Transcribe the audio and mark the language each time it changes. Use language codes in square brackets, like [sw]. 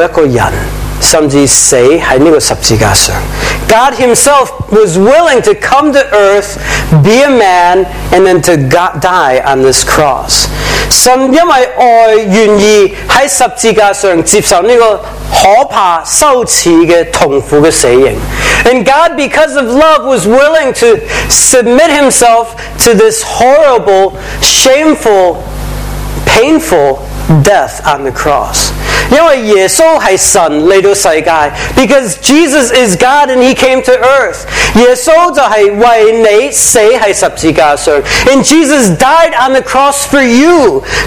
[zh] 神自己愿意来到世界做一个人，甚至死在这个十字架上。 [en] God himself was willing to come to earth, be a man, and then to die on this cross. [zh] 神因为爱愿意在十字架上接受这个可怕羞耻的痛苦的死刑。 [en] And God, because of love, was willing to submit himself to this horrible, shameful, painful death on the cross. [zh] 因为耶稣是神来到世界, [en] because Jesus is God and he came to earth. [zh] 耶稣就是为你死在十字架上, [en] and Jesus died on the cross for you.